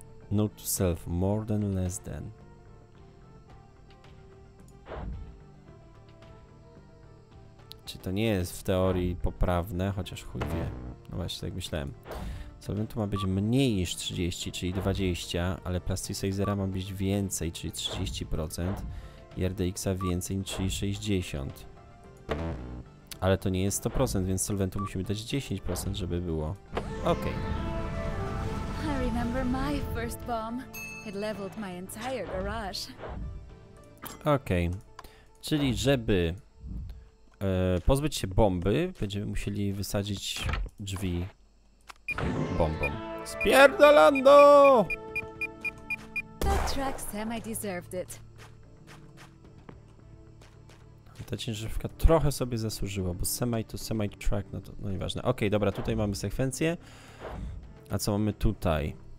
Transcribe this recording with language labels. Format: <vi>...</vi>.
<en>Note to self, more than less than.</en> <pl>Czy to nie jest w teorii poprawne, chociaż chuj wie. No właśnie, tak myślałem. Solventu ma być mniej niż 30, czyli 20, ale Plasticizera ma być więcej, czyli 30%. I RDX-a więcej niż 60. Ale to nie jest 100%, więc solventu musimy dać 10%, żeby było. Okej. Okay.</pl> <en>I remember my first bomb. It leveled my entire garage.</en> <pl>Okej. Okay. Czyli żeby pozbyć się bomby, będziemy musieli wysadzić drzwi bombą. Spierdolando!</pl> <en>That truck semi deserved it.</en> <pl>Ta ciężarówka trochę sobie zasłużyła, bo semi to semi truck, no to no nieważne. Okej, okay, dobra, tutaj mamy sekwencję. A co mamy tutaj?</pl>